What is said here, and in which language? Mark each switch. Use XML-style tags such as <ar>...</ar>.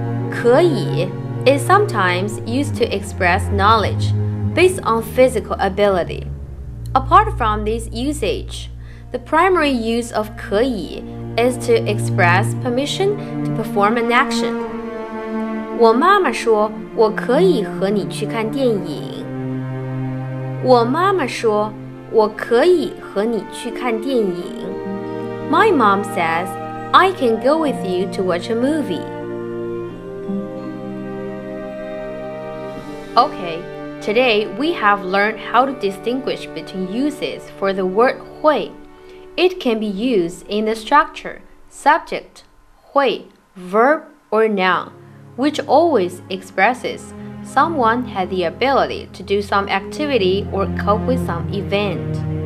<en>可以 is sometimes used to express knowledge based on physical ability. Apart from this usage,The primary use of 可以 is to express permission to perform an action.</en> <zh>我妈妈说我可以和你去看电影。我妈妈说我可以和你去看电影。</zh> <en>My mom says, I can go with you to watch a movie. Okay, today we have learned how to distinguish between uses for the word 会。 It can be used in the structure, subject, 会, verb, or noun, which always expresses someone has the ability to do some activity or cope with some event.</en>